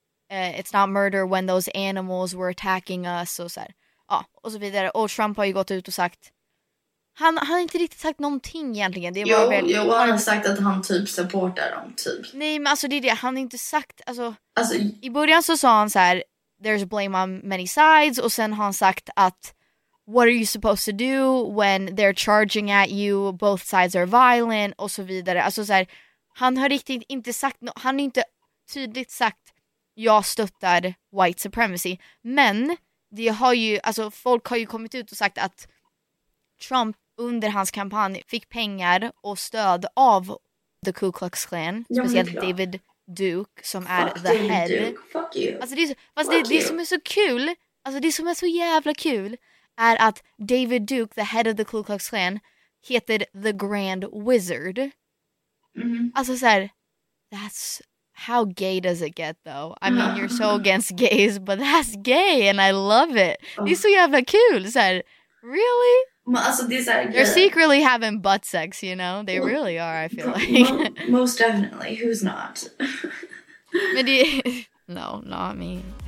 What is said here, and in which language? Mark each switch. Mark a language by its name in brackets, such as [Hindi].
[English] it's not murder when those animals were attacking us [Swedish] och så här. Ja, och så vidare. Och Trump har ju gått ut och sagt han har inte riktigt sagt någonting egentligen. Det är bara han har sagt att han typ supportar dem typ. Nej, men alltså det är det han har inte sagt, alltså i början så sa han så här [English] there's blame on many sides [Swedish] och sen har han sagt att [English] what are you supposed to do when they're charging at you, both sides are violent [Swedish] och så vidare. Alltså så här, han har riktigt inte sagt han har inte tydligt sagt jag stöttar white supremacy, men det har ju, alltså folk har ju kommit ut och sagt att Trump under hans kampanj fick pengar och stöd av the Ku Klux Klan, speciellt David Duke som [English] fuck är the head. Duke. Fuck you. [Swedish] Alltså det som är så kul, alltså det som är så jävla kul är att David Duke, the head of the Ku Klux Klan, heter the Grand Wizard. Mm-hmm. Alltså så här, [English] that's how gay does it get though? I mean, you're so against gays, but that's gay and I love it. [Swedish] Det är så jävla kul så här. [English] Really? [Swedish] Men alltså det är så här, [English] they're secretly having butt sex, you know? They really are, I feel like. Most definitely. Who's not? [Swedish] Men det, [English] no, not me.